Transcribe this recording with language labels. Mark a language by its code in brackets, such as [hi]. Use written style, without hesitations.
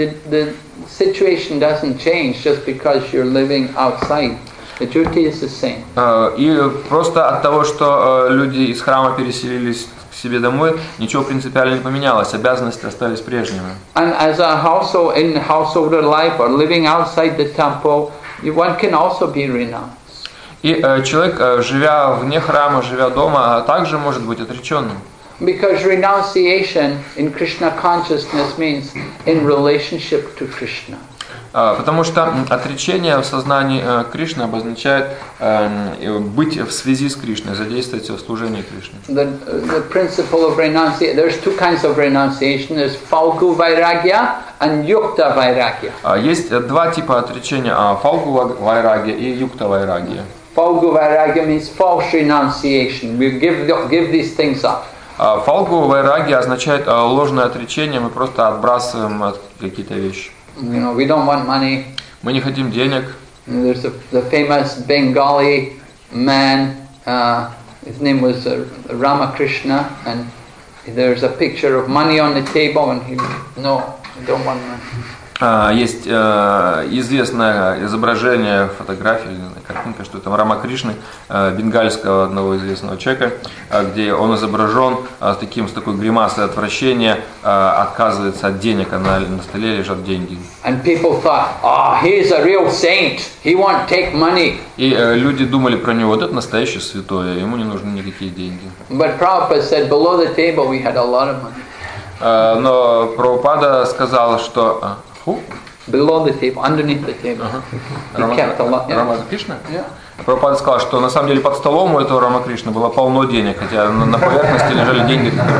[en] The situation doesn't change just because you're living outside. The duty is the same. [ru] И просто от того, что люди из храма переселились к себе домой, ничего принципиально не поменялось, обязанности остались прежними. [en] And as a household, in householder life, or living outside the temple, one can also be renounced. [ru] И человек, живя вне храма, живя дома, также может быть отреченным. [en] Because renunciation in Krishna consciousness means in relationship to Krishna. [ru] Потому что отречение в сознании Кришны обозначает быть в связи с Кришной, задействовать в служении Кришне. [en] The principle of renunciation, there's two kinds of renunciation. There's Falgu Vairagya and Yukta Vairagya. [ru] Есть два типа отречения, Falgu Vairagya и Yukta Vairagya. [en] Falgu Vairagya means false renunciation. We give these things up. [ru] Falgu Vairagya означает ложное отречение, мы просто отбрасываем какие-то вещи. [en] You know, we don't want money. [ru] Мы не хотим денег. [en] There's the famous Bengali man. His name was Ramakrishna, and there's a picture of money on the table, and he no, I don't want money. [ru] Есть известное изображение, фотография, картинка, что там Рамакришны, бенгальского одного известного человека, где он изображен с такой гримасой отвращения, отказывается от денег, а на столе лежат деньги. [en] And people thought, oh, he's a real saint. He won't take money. [ru] И люди думали про него, вот это настоящий святой, ему не нужны никакие деньги. [en] But Prabhupada said, below the table we had a lot of money. [ru] Но Прабхупада сказал, что [en] Below the table, underneath the table. [ru] Рамакришна? [en] Uh-huh. Yeah. [ru] Прабхупада сказал, что на самом деле под столом у этого Рамакришны было полно денег, хотя на поверхности лежали деньги.